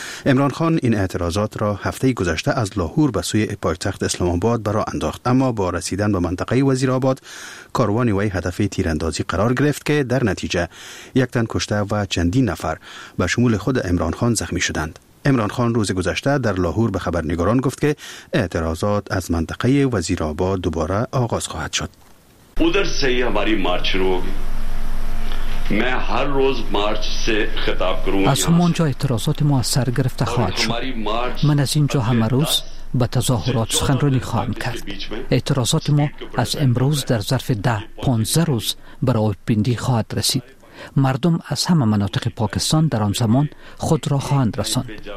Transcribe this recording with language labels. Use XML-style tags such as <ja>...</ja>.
<fa>عمران خان این اعتراضات را هفته گذشته از لاهور به سوی پایتخت اسلام آباد برا انداخت، اما با رسیدن به منطقه وزیرآباد کاروان وی هدف تیراندازی قرار گرفت که در نتیجه یک تن کشته و چندین نفر به شمول خود عمران خان زخمی شدند. عمران خان روز گذشته در لاهور به خبرنگاران گفت که اعتراضات از منطقه وزیرآباد دوباره آغاز خواهد شد.</fa> <ur>ادھر سے ہماری مارچ شروع ہوگی. میں ہر روز مارچ سے خطاب کروں گا.</ur> <fa>از همانجا اعتراضات ما سر گرفته خواهد شد. من از اینجا همه روز با تظاهرات سخنرانی خواهم کرد. اعتراضات ما از امروز در ظرف 10-15 روز برای پیندی خواهد رسید. مردم از همه مناطق پاکستان در آن زمان خود را خواهند رساند.</fa>